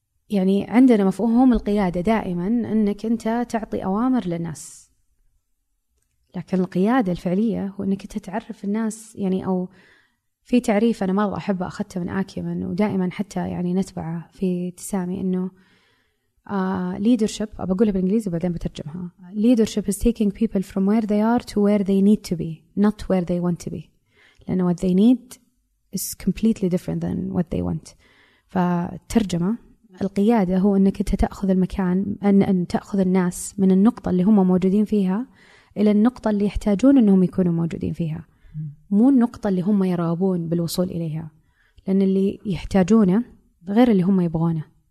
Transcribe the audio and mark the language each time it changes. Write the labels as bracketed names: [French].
[Arabic] يعني عندنا مفهوم القيادة دائما أنك أنت تعطي أوامر للناس، لكن القيادة الفعلية هو أنك أنت تعرف الناس. يعني أو في تعريف أنا مرة أحبه أخذته من آكيمن ودائما حتى يعني نتبعه في تسامي، أنه leadership، أقولها بالإنجليزي وبعدين بترجمها. [English] leadership is taking people from where they are to where they need to be, not where they want to be. [Arabic] لأن [English] what they need is completely different than what they want. [Arabic] فترجمة القيادة هو أنك أنت تأخذ المكان، أن تأخذ الناس من النقطة اللي هم موجودين فيها إلى النقطة اللي يحتاجون أنهم يكونوا موجودين فيها، مو النقطة اللي هم يرغبون بالوصول إليها، لأن اللي يحتاجونه غير اللي هم يبغونه.